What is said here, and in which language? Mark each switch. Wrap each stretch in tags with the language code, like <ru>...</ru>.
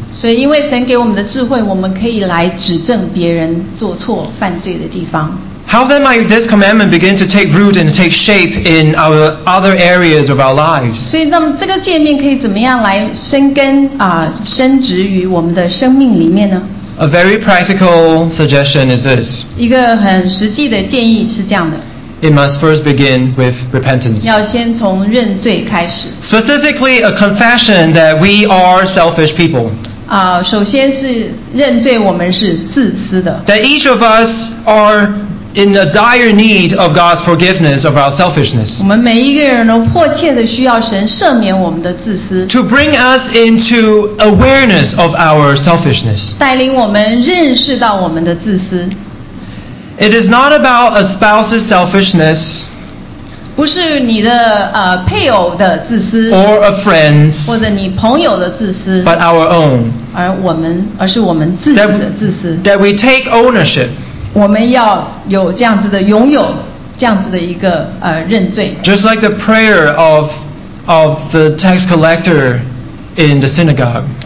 <zh>所以因为神给我们的智慧，我们可以来指正别人做错犯罪的地方。</zh> <en>How then might this commandment begin to take root and take shape in our other areas of our lives?</en> <zh>所以那么这个诫命可以怎么样来生根、生植于我们的生命里面呢？</zh> <en>A very practical suggestion is this.</en> <zh>一个很实际的建议是这样的。</zh> <en>It must first begin with repentance.</en> <zh>要先从认罪开始。</zh> <en>Specifically, a confession that we are selfish people.</en> <zh>首先是认罪我们是自私的。</zh> <en>That each of us are in a dire need of God's forgiveness of our selfishness.</en> <zh>我们每一个人都迫切地需要神赦免我们的自私。</zh> <en>To bring us into awareness of our selfishness.</en> <zh>带领我们认识到我们的自私。</zh> <en>It is not about a spouse's selfishness.</en> <zh>不是你的配偶的自私。</zh> <en>Or a friend's.</en> <zh>或者你朋友的自私。</zh> <en>But our own.</en> <zh>而是我们自己的自私。</zh> <en>That we take ownership.</en> <zh>我们要有这样子的拥有这样子的一个认罪。</zh> <en>Just like the prayer of the tax collector in the synagogue.</en>